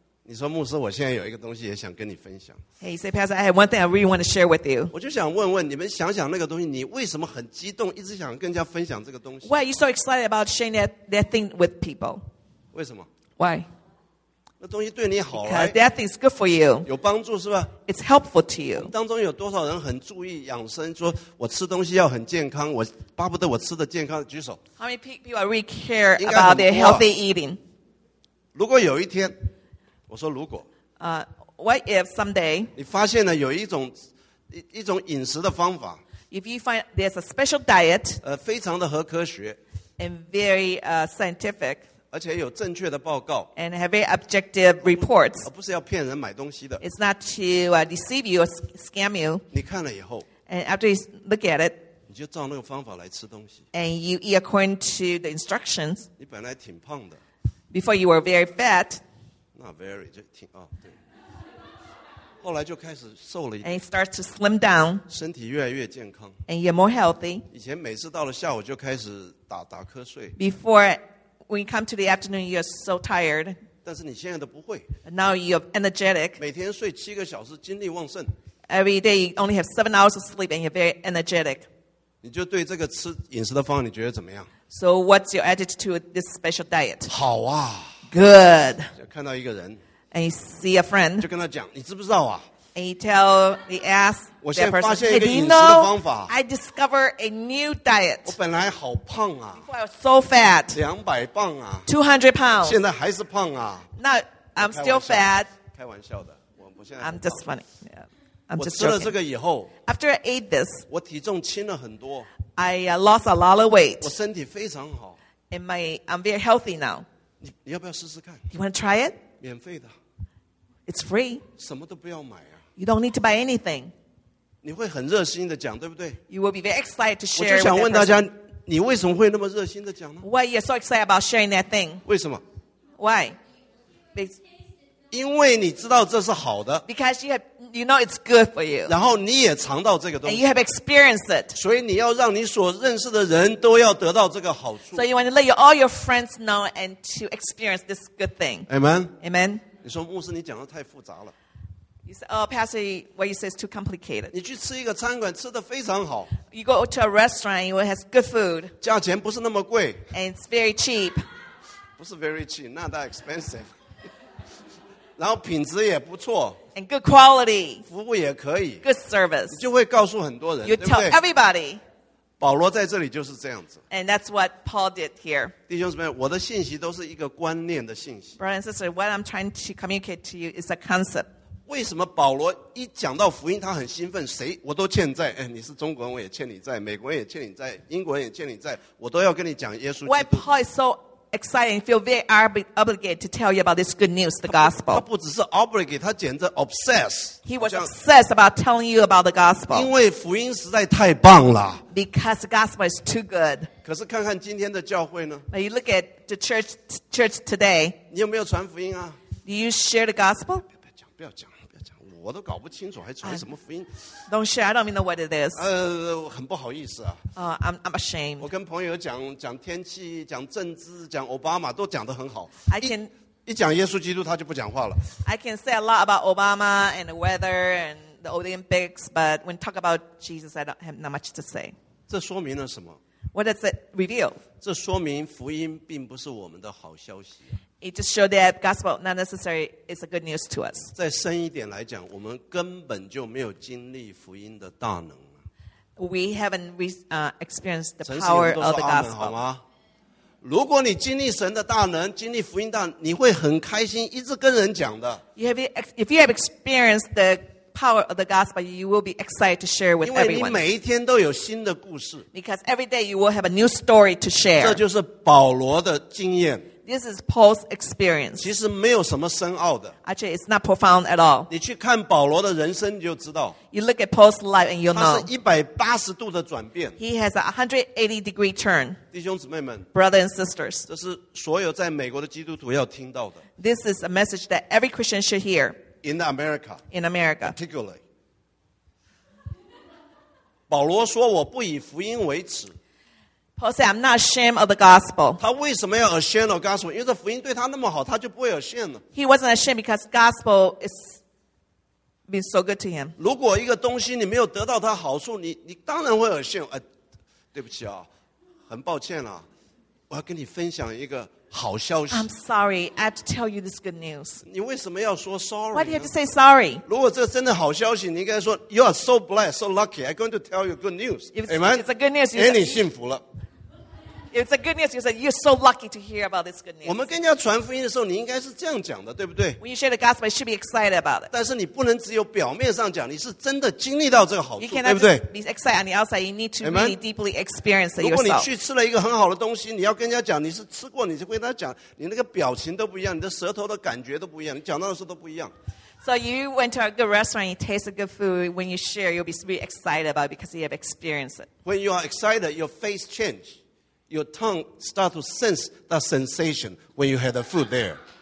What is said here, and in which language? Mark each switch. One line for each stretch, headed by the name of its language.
Chinese: 你说牧师，我现在有一个东西也想跟你分享。
English: Hey, you say, Pastor, I have one thing I really want to share with you.
Chinese: 我就想问问你们，想想那个东西，你为什么很激动，一直想跟人家分享这个东西
English: ？Why are you so excited about sharing that thing with people?
Chinese: 为什么
English: ？Why?
Chinese: 那东西对你好了。
English: Because that thing is good for you.
Chinese: 有帮助是吧
English: ？It's helpful to you.
Chinese: 当中有多少人很注意养生，说我吃东西要很健康，我巴不得我吃的健康，举手。
English: How many people really care about their healthy eating?
Chinese: 如果有一天。我说如果
English: what if someday
Chinese: 你发现了有一种饮食的方法
English: if you find there's a special diet
Chinese: 非常的合科学
English: and very scientific
Chinese: 而且有正确的报告
English: and have very objective reports
Chinese: 不是要骗人买东西的
English: it's not to deceive you or scam you
Chinese: 你看了以后
English: and after you look at it
Chinese: 你就照那个方法来吃东西
English: and you eat according to the instructions
Chinese: 你本来挺胖的
English: before you were very fat Not very,
Chinese: 就挺哦，对。后来就开始瘦了一点。
English: And he starts to slim down.
Chinese: 身体越来越健康。
English: And you're more healthy.
Chinese: 以前每次到了下午就开始打瞌睡。
English: Before, when you come to the afternoon, you're so tired.
Chinese: 但是你现在都不会。
English: Now you're energetic.
Chinese: 每天睡七个小时，精力旺盛。
English: Every day you only have 7 hours of sleep and you're very energetic.
Chinese: 你就对这个吃饮食的方案你觉得怎么样？
English: So what's your attitude to this special diet?
Chinese: 好啊。
English: Good.
Chinese: 看到一个人。
English: And you see a friend.
Chinese: 就跟他讲，你知不知道啊？
English: And you tell the ass that person, hey, do you know, I discovered a new diet.
Chinese: 我本来好胖啊。
English: Before I was so fat.
Chinese: 200磅啊。
English: 200 pounds.
Chinese: 现在还是胖啊。
English: No, I'm still fat.
Chinese: 开玩笑的。我现在
English: 很胖。I'm just funny. Yeah, I'm just joking.
Chinese: 我吃了这个以后。
English: After I ate this.
Chinese: 我体重轻了很多。
English: I lost a lot of weight.
Chinese: 我身体非常好。
English: And I'm very healthy now.
Chinese: 你要不要试试看？
English: You want to try it?
Chinese: 免费的。
English: It's free.
Chinese: 什么都不要买啊。
English: You don't need to buy anything.
Chinese: 你会很热心的讲，对不对？
English: You will be very excited to share.
Chinese: 我就想问大家，你为什么会那么热心的讲呢？
English: Why you're so excited about sharing that thing?
Chinese: 为什么？
English: Why?
Chinese: 因为你知道这是好的。
English: Because you know it's good for you.
Chinese: 然后你也尝到这个东西。
English: And you have experienced it.
Chinese: 所以你要让你所认识的人都要得到这个好处。
English: So you want to let all your friends know and to experience this good thing. Amen. Amen.
Chinese: 你说牧师，你讲的太复杂了。
English: You say, oh, Pastor, what you say is too complicated.
Chinese: 你去吃一个餐馆，吃得非常好。
English: You go to a restaurant, it has good food.
Chinese: 价钱不是那么贵。
English: And it's very cheap.
Chinese: 不是
English: very cheap, not that expensive.
Chinese: 然后品质也不错。
English: And good quality.
Chinese: 服务也可以。
English: Good service.
Chinese: 你就会告诉很多人，对不对？
English: You tell everybody.
Chinese: 保罗在这里就是这样子。
English: And that's what Paul did here.
Chinese: 弟兄姊妹，我的信息都是一个观念的信息。
English: Brother and sister, what I'm trying to communicate to you is a concept.
Chinese: 为什么保罗一讲到福音他很兴奋，谁我都欠债，哎，你是中国人我也欠你债，美国人也欠你债，英国人也欠你债，我都要跟你讲耶稣基督。
English: Why Paul is so exciting, feel very obligated to tell you about this good news, the gospel.
Chinese: 他不只是 obligated, 他简直 obsessed.
English: He was obsessed about telling you about the gospel.
Chinese: 因为福音实在太棒了。
English: Because the gospel is too good.
Chinese: 可是看看今天的教会呢。
English: But you look at the church today.
Chinese: 你有没有传福音啊？
English: Do you share the gospel?
Chinese: 不要讲，不要讲，我都搞不清楚还传什么福音。
English: Don't share, I don't know what it is.
Chinese: 很不好意思啊。
English: I'm ashamed.
Chinese: 我跟朋友讲天气，讲政治，讲奥巴马，都讲得很好。一讲耶稣基督，他就不讲话了。
English: I can say a lot about Obama and the weather and the Olympics, but when talk about Jesus, I don't have not much to say.
Chinese: 这说明了什么？
English: What does it reveal?
Chinese: 这说明福音并不是我们的好消息。
English: It just showed that gospel not necessary is a good news to us.
Chinese: 再深一点来讲，我们根本就没有经历福音的大能。
English: We haven't experienced the power of the gospel.
Chinese: 好吗？如果你经历神的大能，经历福音大能，你会很开心，一直跟人讲的。
English: If you have experienced the power of the gospel, you will be excited to share with everyone.
Chinese: 因为你每一天都有新的故事。
English: Because every day you will have a new story to share.
Chinese: 这就是保罗的经验。
English: This is Paul's experience.
Chinese: 其实没有什么深奥的。
English: Actually, it's not profound at all.
Chinese: 你去看保罗的人生你就知道。
English: You look at Paul's life and you'll know.
Chinese: 他是180度的转变。
English: He has a 180 degree turn.
Chinese: 弟兄姊妹们。
English: Brothers and sisters.
Chinese: 这是所有在美国的基督徒要听到的。
English: This is a message that every Christian should hear. In America. In America. Particularly.
Chinese: 保罗说我不以福音为耻。
English: Paul said, I'm not ashamed of the gospel.
Chinese: 他为什么要
English: ashamed of gospel?
Chinese: 因为这福音对他那么好，他就不会 ashamed 了。
English: He wasn't ashamed because gospel is been so good to him.
Chinese: 如果一个东西你没有得到它好处，你当然会 ashamed。对不起啊，很抱歉啊，我要跟你分享一个好消息。
English: I'm sorry, I have to tell you this good news.
Chinese: 你为什么要说 sorry?
English: Why do you have to say sorry?
Chinese: 如果这真的好消息，你应该说
English: You are so blessed, so lucky. I'm going to tell you good news. Amen. It's a good news.
Chinese: 给你幸福了。
English: It's a good news. You said you're so lucky to hear about this good news.
Chinese: 我们跟人家传福音的时候，你应该是这样讲的，对不对？
English: When you share the gospel, you should be excited about it.
Chinese: 但是你不能只有表面上讲，你是真的经历到这个好处，对不对？
English: You cannot be excited on the outside. You need to really deeply experience it yourself.
Chinese: 如果你去吃了一个很好的东西，你要跟人家讲，你是吃过，你就跟他讲，你那个表情都不一样，你的舌头的感觉都不一样，你讲到的时候都不一样。
English: So you went to a good restaurant, you taste a good food. When you share, you'll be really excited about it because you have experienced it. When you are excited, your face changes. Your tongue starts to sense that sensation when you had the food there.